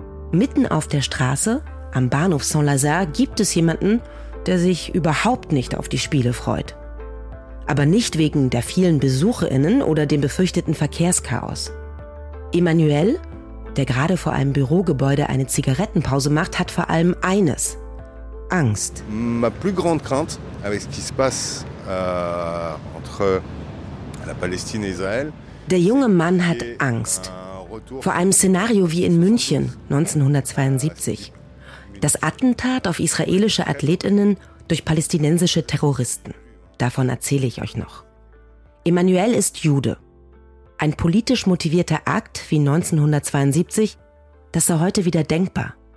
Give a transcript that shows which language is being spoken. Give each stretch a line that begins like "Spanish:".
German: Mitten auf der Straße, am Bahnhof Saint-Lazare, gibt es jemanden, der sich überhaupt nicht auf die Spiele freut. Aber nicht wegen der vielen BesucherInnen oder dem befürchteten Verkehrschaos. Emmanuel, der gerade vor einem Bürogebäude eine Zigarettenpause macht, hat vor allem eines: Angst.
French: Ma plus grande crainte avec ce qui se passe entre la Palestine et Israël.
German: Der junge Mann hat Angst vor einem Szenario wie in München 1972. Das Attentat auf israelische AthletInnen durch palästinensische Terroristen. Davon erzähle ich euch noch. Emmanuel ist Jude. Ein politisch motivierter Akt wie 1972, das sei heute wieder denkbar.